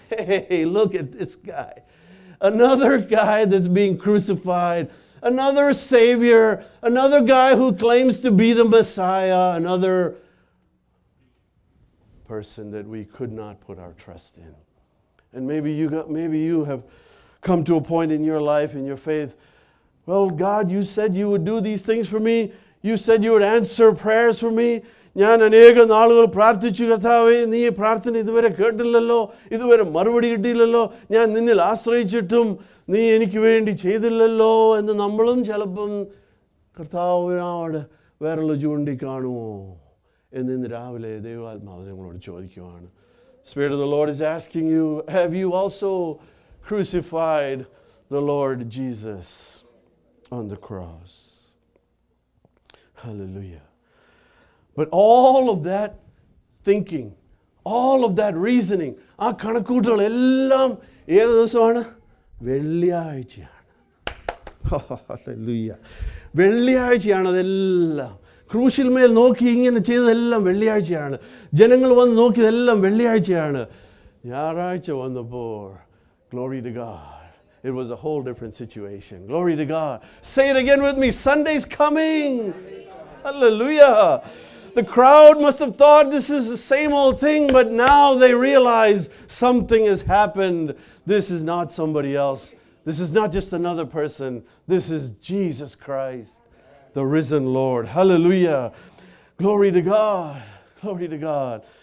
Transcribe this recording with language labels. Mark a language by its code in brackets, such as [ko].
[en] Hey look at this guy, another guy that's being crucified, another saviour, another guy who claims to be the messiah, another person that we could not put our trust in. And maybe you have come to a point in your life in your faith, well God you said you would do these things for me. You said you would answer prayers for me. [ml] ഞാൻ അനേകം നാളുകൾ പ്രാർത്ഥിച്ചു കർത്താവേ, നീ പ്രാർത്ഥന ഇതുവരെ കേട്ടില്ലല്ലോ, ഇതുവരെ മറുപടി കിട്ടിയില്ലല്ലോ, ഞാൻ നിന്നിൽ ആശ്രയിച്ചിട്ടും നീ എനിക്ക് വേണ്ടി ചെയ്തില്ലല്ലോ എന്ന് നമ്മളും ചിലപ്പം കർത്താവിനോട് വേറെയുള്ള ചൂണ്ടിക്കാണുമോ എന്ന് ഇന്ന് രാവിലെ ദൈവാത്മാവ് നിങ്ങളോട് ചോദിക്കുവാണ്. [en] Spirit of the Lord is asking you, have you also crucified the Lord Jesus on the cross? Hallelujah. But all of that thinking, all of that reasoning, [ml] ആ കണക്കൂട്ടുകൾ എല്ലാം ഏത് ദിവസമാണ്? വെള്ളിയാഴ്ചയാണ്. ഹല്ലേലൂയ. വെള്ളിയാഴ്ചയാണ് അതെല്ലാം. ക്രൂശിൽമേൽ നോക്കി ഇങ്ങനെ ചെയ്തതെല്ലാം വെള്ളിയാഴ്ചയാണ്. ജനങ്ങൾ വന്ന് നോക്കിയതെല്ലാം വെള്ളിയാഴ്ചയാണ്. ഞായറാഴ്ച വന്നപ്പോൾ, [en] Glory to God, it was a whole different situation. Glory to God. Say it again with me, Sunday is coming. Hallelujah. The crowd must have thought this is the same old thing, but now they realize something has happened. This is not somebody else. This is not just another person. This is Jesus Christ, the risen Lord. Hallelujah. Glory to God. Glory to God.